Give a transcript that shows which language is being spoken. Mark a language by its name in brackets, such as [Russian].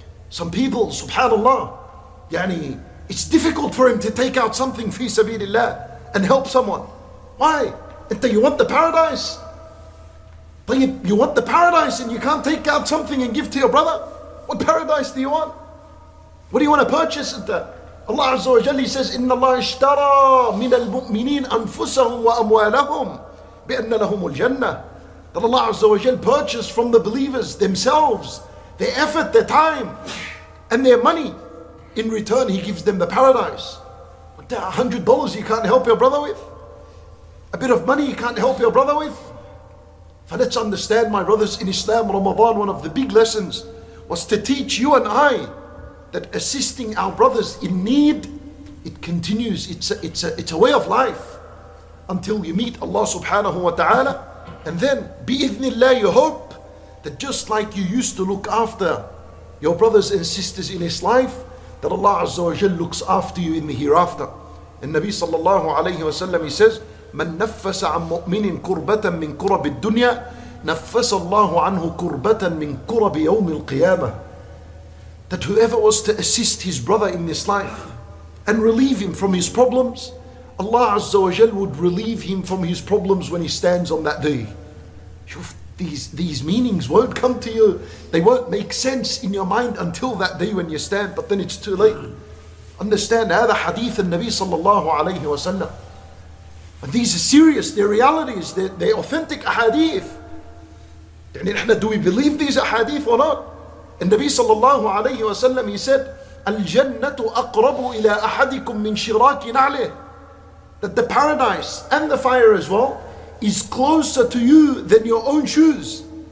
[English] Some people, subhanAllah, yani, it's difficult for him to take out something fi sabilillah and help someone. Why? You want the paradise? You want the paradise and you can't take out something and give to your brother? What paradise do you want? What do you want to purchase? Allah Azza wa Jalla says, [Arabic] إِنَّ اللَّهَ اشْتَرَى مِنَ الْمُؤْمِنِينَ أَنفُسَهُمْ وَأَمْوَالَهُمْ بِأَنَّ لَهُمُ الْجَنَّةِ. [English] That Allah Azza wa Jalla purchased from the believers themselves, their effort, their time, and their money. In return, he gives them the paradise. $100 you can't help your brother with? A bit of money you can't help your brother with? But let's understand, my brothers, in Islam, Ramadan, one of the big lessons was to teach you and I that assisting our brothers in need, it continues. It's a way of life until you meet Allah subhanahu wa ta'ala. And then, bi-ithnillah, you hope that just like you used to look after your brothers and sisters in this life, that Allah azza wa jal looks after you in the hereafter. And Nabi sallallahu alayhi wa sallam, he says, [Arabic] مَنْ نَفَّسَ عَمْ مُؤْمِنٍ كُرْبَةً مِنْ كُرَبِ الدُّنْيَا نَفَّسَ اللَّهُ عَنْهُ كُرْبَةً مِنْ كُرَبِ يَوْمِ الْقِيَامَةِ. [English] That whoever was to assist his brother in this life and relieve him from his problems, Allah Azza wa Jal would relieve him from his problems when he stands on that day. These meanings won't come to you. They won't make sense in your mind until that day when you stand, but then it's too late. Understand, [Arabic] هذا حديث النبي صلى الله عليه وسلم. [English] And these are serious, they're realities, they're authentic ahadith. Do we believe these ahadith or not? And Nabi sallallahu alayhi wa sallam, he said, [Arabic] Al-jannatu aqrabu ila ahadikum min shiraki na'lih. [English] That the paradise and the fire as well is closer to you than your own shoes.